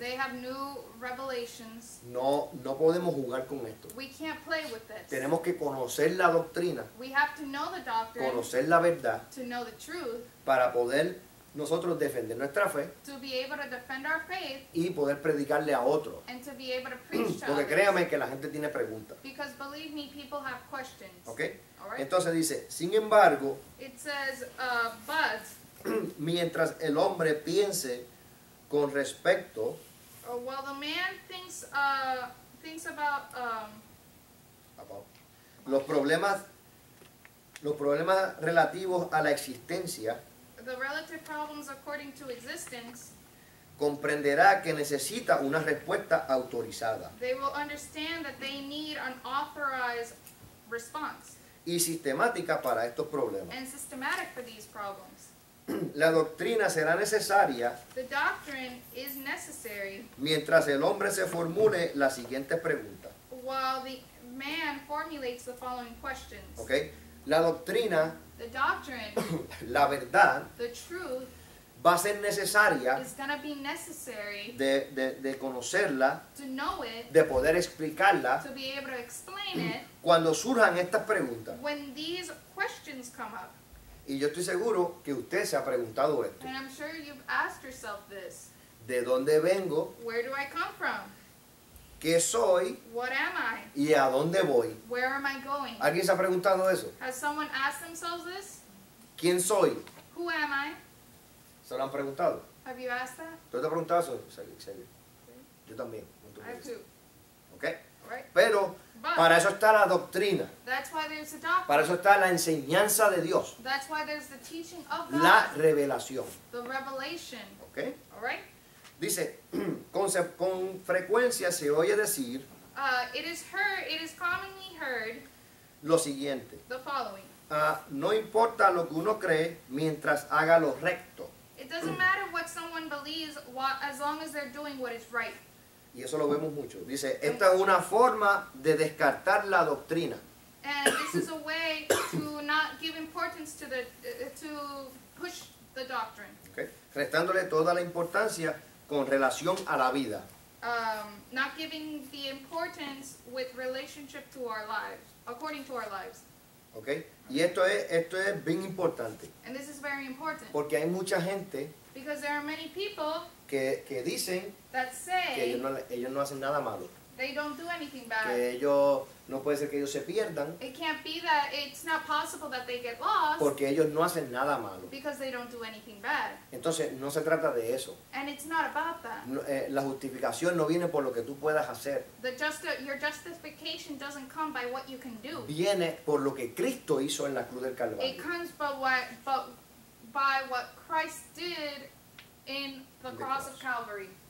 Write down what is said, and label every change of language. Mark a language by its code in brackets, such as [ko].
[en] They have new revelations. [es] No podemos jugar con esto. [en] We can't play with this. [es] Tenemos que conocer la doctrina. [en] We have to know the doctrine. [es] Conocer la verdad. [en] To know the truth. [es] Para poder nosotros defender nuestra fe. [en] To be able to defend our faith. [es] Y poder predicarle a otro. [en] And to be able to preach to others. [es] Porque créame que la gente tiene preguntas. [en] Because believe me, people have questions. Okay. All right. [es] Entonces dice, sin embargo. [en] It says, but. [es] Mientras el hombre piense con respecto. [en] Oh, well, the man thinks about. About. [es] Los problemas relativos a la existencia. [en] The relative problems according to existence. [es] Comprenderá que necesita una respuesta autorizada. [en] They will understand that they need an authorized response. [es] Y sistemática para estos problemas. [en] And systematic for these problems. [es] La doctrina será necesaria. [en] The doctrine is necessary. [es] Mientras el hombre se formule la siguiente pregunta. [en] While the man formulates the following questions. [es] Okay. La doctrina. [en] The doctrine. [es] La verdad. [en] The truth. [es] Va a ser necesaria. [en] Is gonna be necessary. [es] De conocerla. [en] To know it. [es] De poder explicarla. [en] To be able to explain it. [es] Cuando surjan estas preguntas. [en] When these questions come up. [es] Y yo estoy seguro que usted se ha preguntado esto. [en] And I'm sure you've asked yourself this. [es] ¿De dónde vengo? [en] Where do I come from? [es] ¿Qué soy? [en] What am I? [es] ¿Y a dónde voy? [en] Where am I going? [es] ¿Alguien se ha preguntado eso? [en] Has someone asked themselves this? [es] ¿Quién soy? [en] Who am I? [es] ¿Se lo han preguntado? [en] Have you asked that? [es] ¿Tú te has preguntado eso? ¿Sí? Yo también. [en] I have two. Okay. Right. [es] Pero para eso está la doctrina. [en] That's why there's the doctrine. [es] Para eso está la enseñanza de Dios. [en] That's why there's the teaching of God. [es] La revelación. [en] The revelation. Okay. All right. [es] Dice, con frecuencia se oye decir [en] it is commonly heard [es] lo siguiente. [en] The following. [es] No importa lo que uno cree mientras haga lo recto. [en] It doesn't matter what someone believes as long as they're doing what is right. [es] Y eso lo vemos mucho. Dice, esta es una forma de descartar la doctrina. [en] And this is a way to not give importance to the to push the doctrine. Okay. [es] Restándole toda la importancia con relación a la vida. [en] Not giving the importance with relationship to our lives, according to our lives. Okay. [es] Y esto es bien importante. [en] And this is very important. [es] Porque hay mucha gente. [en] Because there are many people. [es] Que dicen. [en] That say. [es] Que ellos no hacen nada malo. [en] They don't do anything bad. [es] Que ellos, no puede ser que ellos se pierdan. [en] It can't be that, it's not possible that they get lost. [es] Porque ellos no hacen nada malo. [en] Because they don't do anything bad. [es] Entonces, no se trata de eso. [en] And it's not about that. [es] No, la justificación no viene por lo que tú puedas hacer. [en] Your justification doesn't come by what you can do. [es] Viene por lo que Cristo hizo en la cruz del Calvario. [en] It comes by what Christ did in the cross of Calvary.